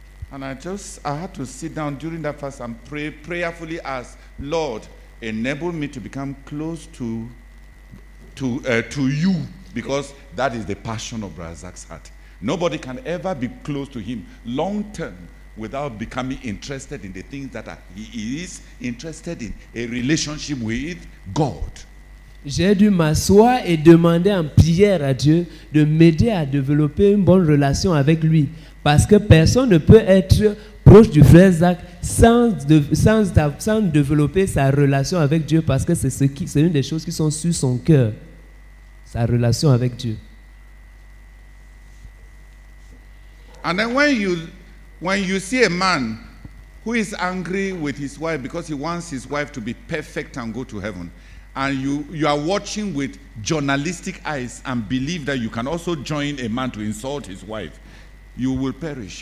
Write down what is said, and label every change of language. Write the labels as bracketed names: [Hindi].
[English] And I had to sit down during that fast and pray prayerfully, ask Lord, enable me to become close to to you, because that is the passion of Isaac's heart. Nobody can ever be close to him long term without becoming interested in the things that he is interested in, a relationship with God. [French] J'ai dû m'asseoir et demander en prière à Dieu de m'aider à développer une bonne relation avec lui, parce que personne ne peut être proche du frère Zach sans développer sa relation avec Dieu, parce que c'est une des choses qui sont sur son cœur, sa relation avec Dieu. [English] And then when you see a man who is angry with his wife because he wants his wife to be perfect and go to heaven, and you are watching with journalistic eyes and believe that you can also join a man to insult his wife, you will perish.